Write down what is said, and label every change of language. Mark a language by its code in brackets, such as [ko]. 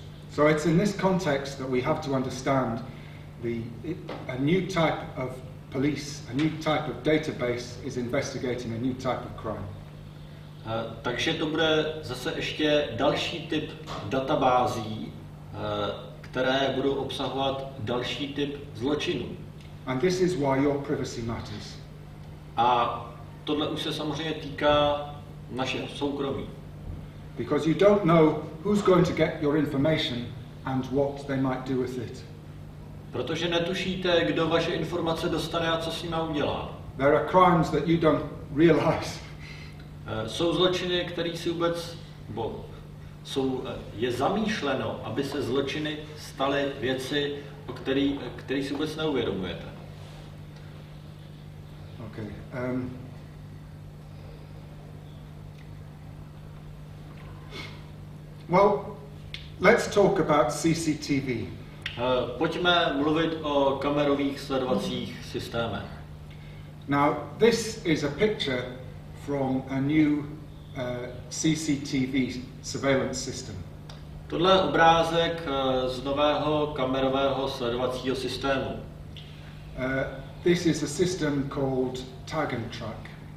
[en] So it's in this context that we have to understand a new type of police, a new type of database is investigating a new type of crime. [cs] Takže to bude zase ještě další typ databází, které budou obsahovat další typ zločinů. [en] And this is why your privacy matters. [cs] A tohle už se samozřejmě týká našeho soukromí. [en] Because you don't know who's going to get your information and what they might do with it. [cs] Protože netušíte, kdo vaše informace dostane a co s nima udělá. [en] There are crimes that you don't realize. [cs] Jsou zločiny, které si vůbec, bo jsou, je zamýšleno, aby se zločiny staly věci, o které si vůbec neuvědomujete. [en] Okay. Well, let's talk about CCTV. [cs] Pojďme mluvit o kamerových sledovacích systémech. [en] Now, this is a picture from a new CCTV surveillance system. [cs] Tohle je obrázek z nového kamerového sledovacího systému. [en] This is a system called Tag and Track.